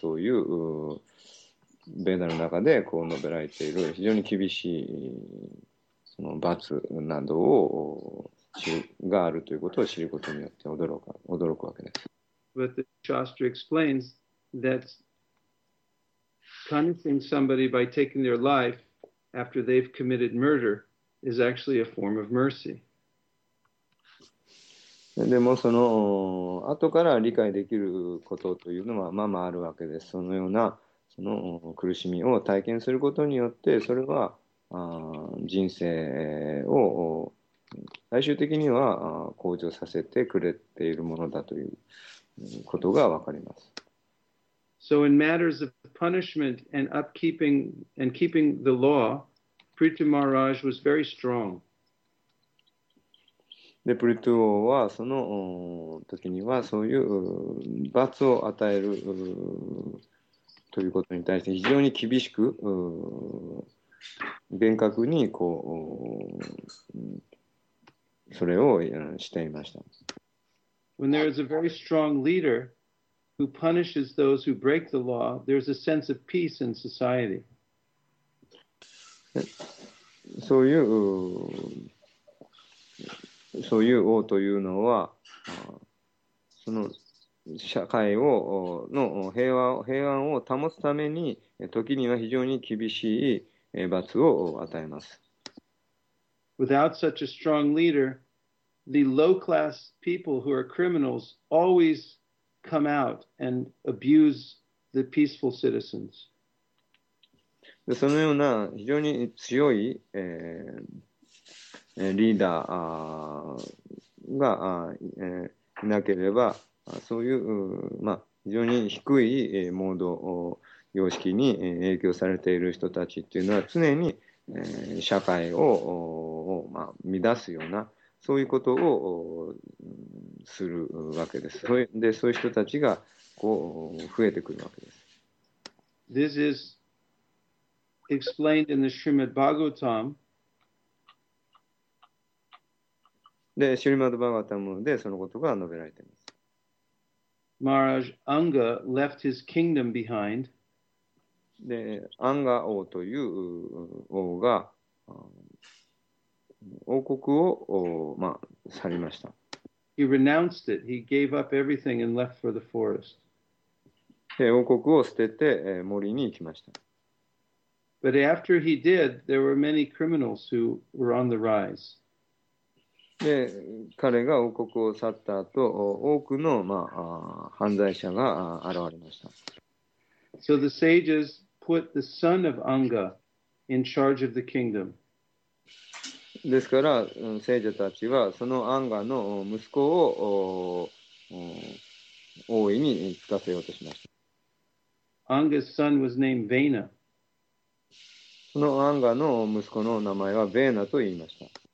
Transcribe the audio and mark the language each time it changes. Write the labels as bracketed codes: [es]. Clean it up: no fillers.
[ja] そういうベーダの中でこう述べられている非常に厳しいその罰などをがあるということを知ることによって驚くわけです。 [en] But the Shastra explains that punishing somebody by taking their life after they've committed murder. Is actually a form of mercy. [ja] でもその後から理解できることというのはまあまああるわけです。そのようなその苦しみを体験することによって、それは人生を最終的には向上させてくれているものだということがわかります。 [en] So in matters of punishment and upkeeping and keeping the law. Prithu Maharaj was very strong. [ja] で、プリトゥ王はその時にはそういう罰を与えるということに対して非常に厳しく厳格にこうそれをしていました。 [en] When there is a very strong leader who punishes those who break the law, there's a sense of peace in society. [ja] そういう王というのは、その社会をの平安を保つために、時には非常に厳しい罰を与えます。 [en] Without such a strong leader, the low-class people who are criminals always come out and abuse the peaceful citizens. [ja] でそのような非常に強い、リーダーが、いなければそういう、まあ、非常に低いモード様式に影響されている人たちというのは常に、社会を、まあ、乱すようなそういうことをするわけです。で、そういう人たちがこう増えてくるわけです。 [en] This isExplained in the Srimad Bhagavatam. [ja] で、Srimad Bhagavatam でそのことが述べられています。 [en] Maharaj Anga left his kingdom behind. [ja] で、アンガ王という王が王国を、まあ、去りました。 [en] He renounced it. He gave up everything and left for the forest. [ja] で、王国を捨てて森に行きました。 [en] But after he did, there were many criminals who were on the rise. [ja] で、彼が王国を去った後、多くの、まあ、犯罪者が現れました。 [en] So the sages put the son of Anga in charge of the kingdom. [ja] ですから、聖者たちはそのアンガの息子を王位に就かせようとしました。 [en] Anga's son was named Vena. [ja] そのアンガの息子の名前はヴェーナと言いました。